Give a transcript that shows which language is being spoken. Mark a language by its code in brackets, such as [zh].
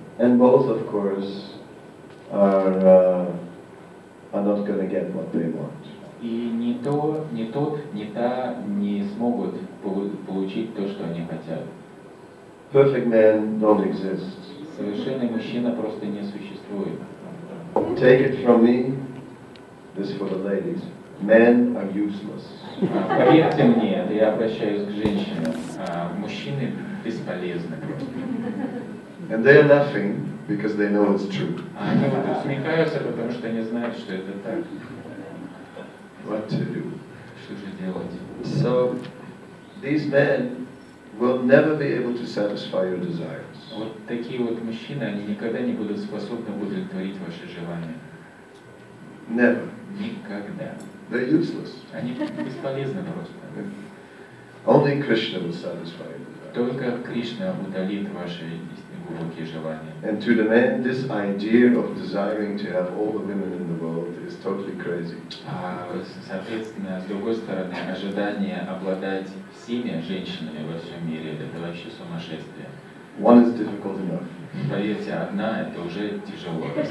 [en] And both, of course, are not going to get what they want. [ru] И ни то, ни тот, ни та не смогут получить то, что они хотят. [en] Perfect man don't exist. [ru] Совершенный мужчина просто не существует. [en] Take it from me, this is for the ladies. Men are useless. [ru] Поверьте мне, это я обращаюсь к женщинам. Мужчины бесполезны. [en] And they are laughing because they know it's true. [ru] Они вот усмехаются, потому что они знают, что это так. [en] What to do? [ru] Что же делать? [en] So these men will never be able to satisfy your desires. [ru] Вот такие вот мужчины, они никогда не будут способны удовлетворить ваши желания. [en] Never. [ru] Никогда. [en] They're useless. [ru] Они бесполезны просто. [en] Only Krishna will satisfy your desires. [ru] Только Кришна удалит ваши глубокие желания. [en] And to the man, this idea of desiring to have all the women in the world is totally crazy. [ru] Соответственно, с другой стороны, ожидание обладать всеми женщинами во всем мире – это вообще сумасшествие. [en] One is difficult enough. [ru] Поверьте, одна – это уже тяжело.